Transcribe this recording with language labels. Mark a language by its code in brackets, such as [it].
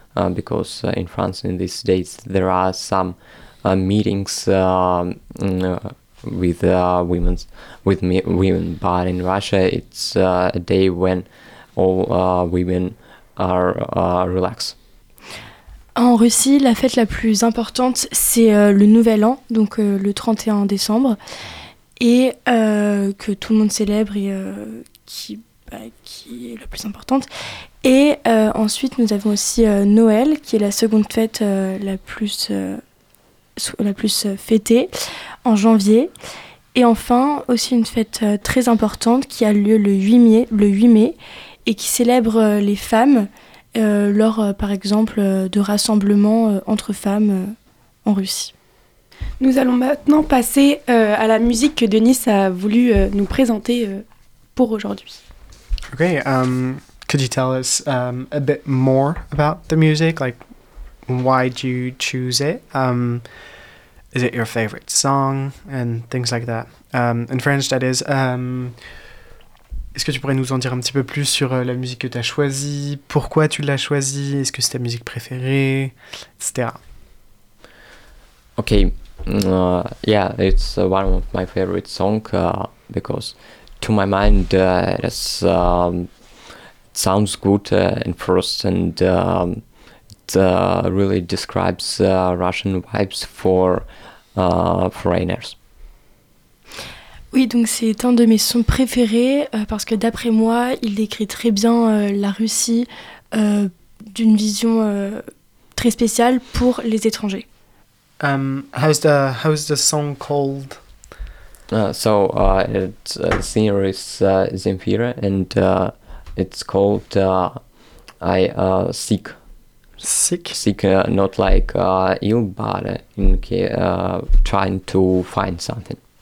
[en] because in France in these days there are some meetings with women, but in Russia it's a day when all women are relaxed. [fr] En Russie, la fête la plus importante, c'est le Nouvel An, donc le 31 décembre, et que tout le monde célèbre et qui est la plus importante. Et ensuite, nous avons aussi Noël, qui est la seconde fête la plus fêtée en janvier. Et enfin, aussi une fête très importante qui a lieu le 8 mai, et qui célèbre les femmes. Lors, par exemple, de rassemblements entre femmes en Russie. Nous allons maintenant passer à la musique que Denis a voulu nous présenter pour aujourd'hui. [en] Okay, could you tell us a bit more about the music? Like, why do you choose it? Is it your favorite song and things like that? In French, that is. [fr] Est-ce que tu pourrais nous en dire un petit peu plus sur la musique que tu as choisie? Pourquoi tu l'as choisie? Est-ce que c'est ta musique préférée? Etc. Ok. [en] Yeah, it's one of my favorite songs because to my mind it sounds good in first and it really describes Russian vibes for foreigners. [fr] Oui, donc c'est un de mes sons préférés parce que d'après moi, il décrit très bien la Russie d'une vision très spéciale pour les étrangers. [en] How's the song called? The singer is Zemfira and it's called Sick. Sick? Sick, not like ill, but trying to find something.